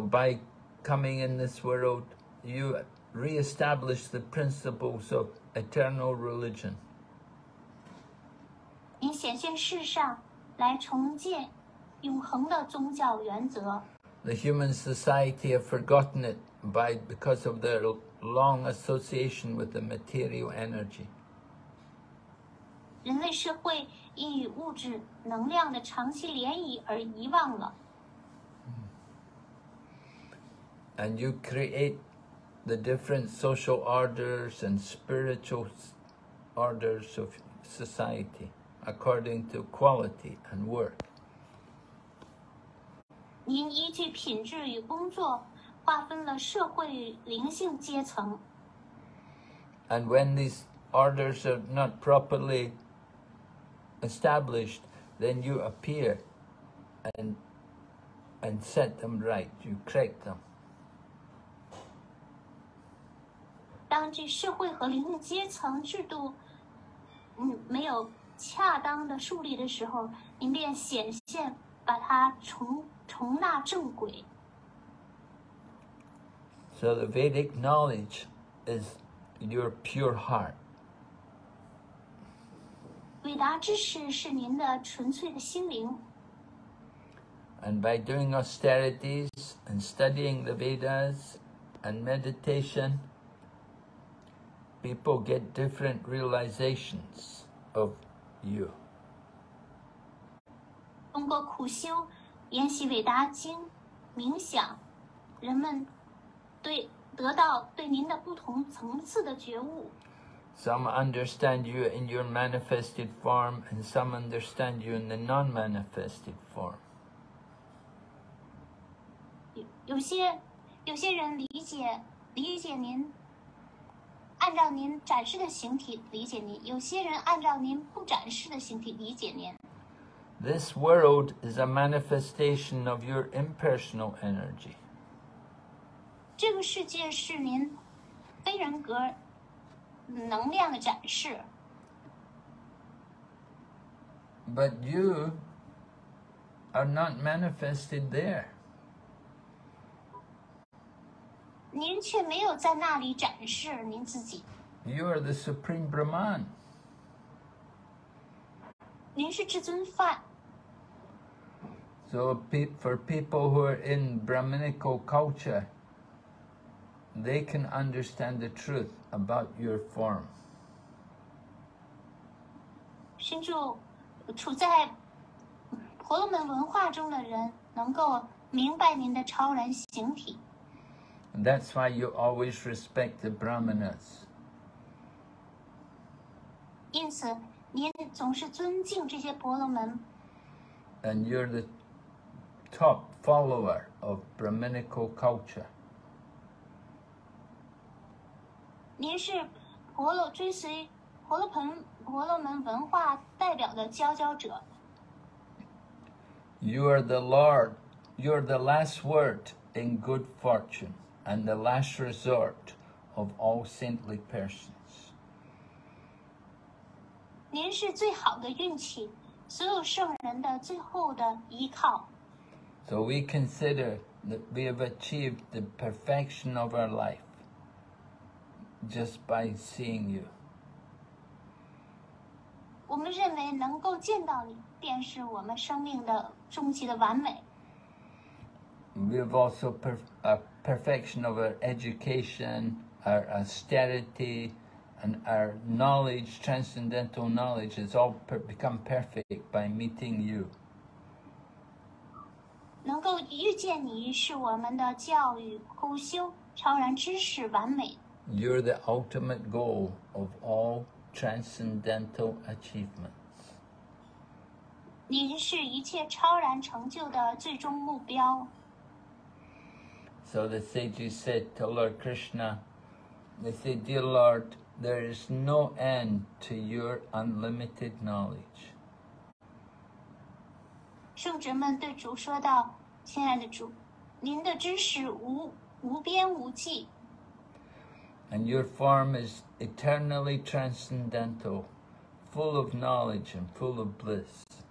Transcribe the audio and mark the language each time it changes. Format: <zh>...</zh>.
<en>by coming in this world, you re-establish the principles of eternal religion.</en> <zh>您显现世上,来重建永恒的宗教原则。</zh> <en>The human society have forgotten it. Because of their long association with the material energy. And you create the different social orders and spiritual orders of society according to quality and work.</en> <zh>您依据品质与工作划分了社会与灵性阶层。</zh> <en>And when these orders are not properly established, then you appear and set them right, you correct them.</en> <zh>当这社会和灵性阶层制度没有恰当的树立的时候，您便显现把它重纳正轨。</zh> <en>So the Vedic knowledge is your pure heart.</en> <zh>伟达知识是您的纯粹的心灵。</zh> <en>And by doing austerities and studying the Vedas and meditation, people get different realizations of you.</en> <zh>通过苦修、研习伟达经、冥想，人们得到对您的不同层次的觉悟。</zh> <en>Some understand you in your manifested form, and some understand you in the non-manifested form.</en> <zh>有些人理解您，按照您展示的形体理解您；有些人按照您不展示的形体理解您。</zh> <en>This world is a manifestation of your impersonal energy.</en> <zh>这个世界是您非人格能量的展示。</zh> <en>But you are not manifested there.</en> <zh>您却没有在那里展示您自己。</zh> <en>You are the Supreme Brahman.</en> <zh>您是至尊梵。</zh> <en>So for people who are in Brahminical culture, they can understand the truth about your form.</en> <zh>身处处在婆罗门文化中的人能够明白您的超然形体。</zh> <en>That's why you always respect the Brahmanas.</en> <zh>因此您总是尊敬这些婆罗门。</zh> <en>And you're the top follower of Brahminical culture.</en> <zh>您是追随婆罗门文化代表的佼佼者。</zh> <en>You are the Lord, you're the last word in good fortune and the last resort of all saintly persons.</en> <zh>您是最好的运气，所有圣人的最后的依靠。</zh> <en>So we consider that we have achieved the perfection of our life just by seeing you.</en> <zh>我们认为能够见到你便是我们生命的终极的完美。</zh> <en>We have also a perfection of our education, our austerity, and our knowledge, transcendental knowledge, has all become perfect by meeting you.</en> <zh>能够遇见你是我们的教育、苦修、超然知识完美。</zh> <en>You're the ultimate goal of all transcendental achievements.</en> <zh>您是一切超然成就的最终目标。</zh> <en>So the sages said to Lord Krishna, they said, Dear Lord, there is no end to your unlimited knowledge.</en> <zh>圣者们对主说道，亲爱的主，您的知识无边无际。</zh> <en>And your form is eternally transcendental, full of knowledge and full of bliss.</en>